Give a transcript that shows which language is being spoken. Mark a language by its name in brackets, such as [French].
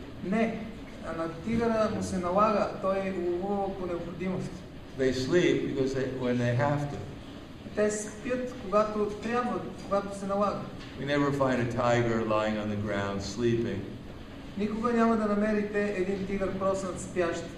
[Bulgarian] Не, а на тигъра му се налага, той ловува по необходимост. [English] They sleep because when they have to. [Bulgarian] Те спят, когато трябва, когато се налага. [English] We never find a tiger lying on the ground sleeping. [Bulgarian] Никога няма да намерите един тигър просто спящ.